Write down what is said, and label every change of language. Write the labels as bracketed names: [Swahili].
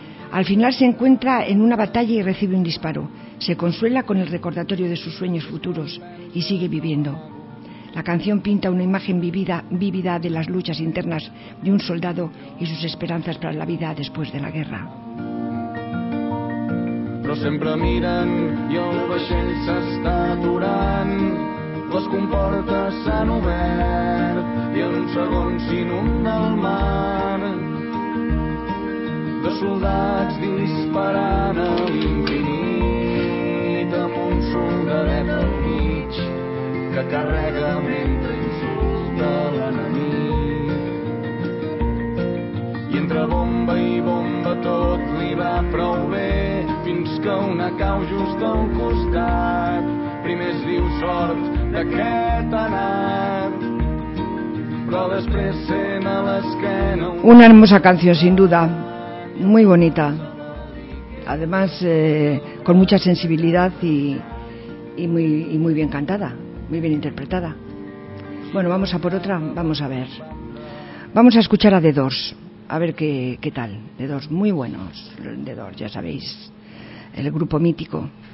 [Spanish] Al final se encuentra en una batalla y recibe un disparo. Se consuela con el recordatorio de sus sueños futuros y sigue viviendo. La canción pinta una imagen vívida de las luchas internas de un soldado y sus esperanzas para la vida después de la guerra. [Catalan] Però sempre miren i el vaixell s'està aturant. Les comportes s'han obert i en un segon s'inunda el mar. De soldats disparant a l'infinit amb un soldadet al mig que carrega mentre insulta l'enemic. I entre bomba i bomba tot li va prou bé fins que una cau just al costat. Primer es diu sort d'aquest anat. Però després sent a l'esquena... [Spanish] Una hermosa canció, sin duda. Muy bonita, además con mucha sensibilidad y muy bien cantada, muy bien interpretada. Bueno, vamos a por otra, vamos a ver. Vamos a escuchar a The Doors, a ver qué tal. The Doors, muy buenos, The Doors, ya sabéis, el grupo mítico.